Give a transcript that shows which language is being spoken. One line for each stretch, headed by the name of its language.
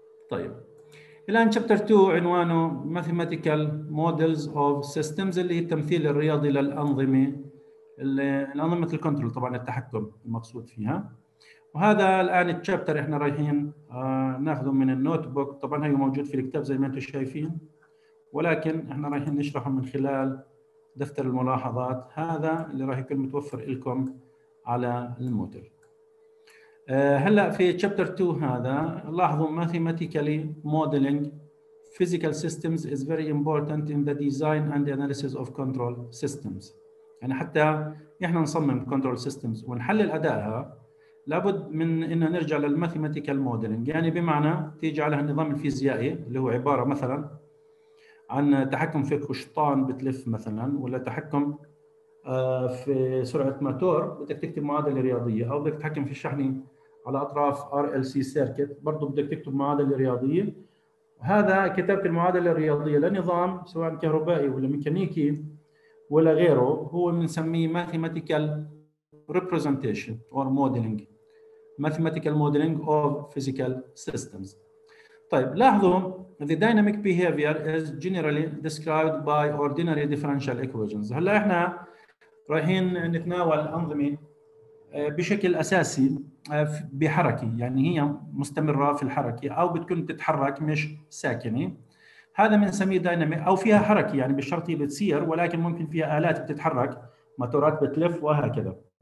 Arabic: طيب الان شابتر 2 عنوانه ماثيماتيكال مودلز اوف سيستمز، اللي هي التمثيل الرياضي للانظمه، الانظمه الكنترول طبعا التحكم المقصود فيها. وهذا الان الشابتر احنا رايحين ناخذه من النوت بوك، طبعا هي موجود في الكتاب زي ما انتم شايفين، ولكن احنا رايحين نشرحه من خلال دفتر الملاحظات هذا اللي راح يكون متوفر لكم على المودل. هلأ في
English: chapter 2
Arabic: هذا لاحظوا
English: mathematically modeling physical systems is very important in the design and analysis of control systems.
Arabic: يعني حتى إحنا نصمم control systems ونحلل أدائها لابد من إنه نرجع للmathematical modeling، يعني بمعنى تيجي على النظام الفيزيائي اللي هو عبارة مثلا عن تحكم في قشطان بتلف مثلا، ولا تحكم في سرعة موتور بدك تكتب معادلة رياضية، أو بدك تتحكم في الشحن على أطراف RLC circuit برضو بدك تكتب معادلة رياضية. هذا كتابة المعادلة الرياضية لنظام سواء كهربائي ولا ميكانيكي ولا غيره هو بنسميه
English: mathematical representation or modeling، mathematical modeling of physical systems.
Arabic: طيب لاحظوا
English: the dynamic behavior is generally described by ordinary differential equations.
Arabic: هلا احنا رايحين نتناول أنظمة بشكل أساسي بحركة، يعني هي مستمرة في الحركة أو بتكون تتحرك مش ساكنة، هذا بنسميه دايناميك أو فيها حركة، يعني بالشرط هي بتصير ولكن ممكن فيها آلات بتتحرك، موتورات بتلف وهكذا.